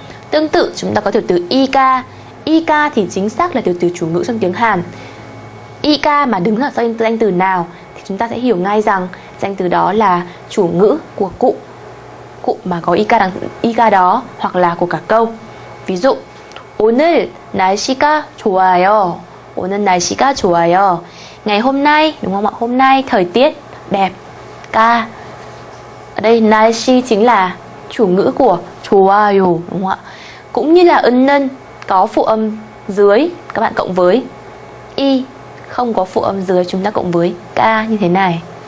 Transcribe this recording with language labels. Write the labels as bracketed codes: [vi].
[vi] Tương tự chúng ta có tiểu từ 이가. 이가 thì chính xác là tiểu từ chủ ngữ trong tiếng Hàn. 이가 mà đứng ở sau danh từ nào thì chúng ta sẽ hiểu ngay rằng danh từ đó là chủ ngữ của cụm mà có 이가 đằng 이가 đó, hoặc là của cả câu. [ko] Ví dụ, 오늘 날씨가 좋아요. 오늘 날씨가 좋아요. [vi] Ngày hôm nay, đúng không ạ? Hôm nay thời tiết đẹp. 가. Ở đây 날씨 chính là chủ ngữ của 좋아요 đúng không ạ? Cũng như là 은는 có phụ âm dưới, các bạn cộng với y, không có phụ âm dưới chúng ta cộng với ka như thế này.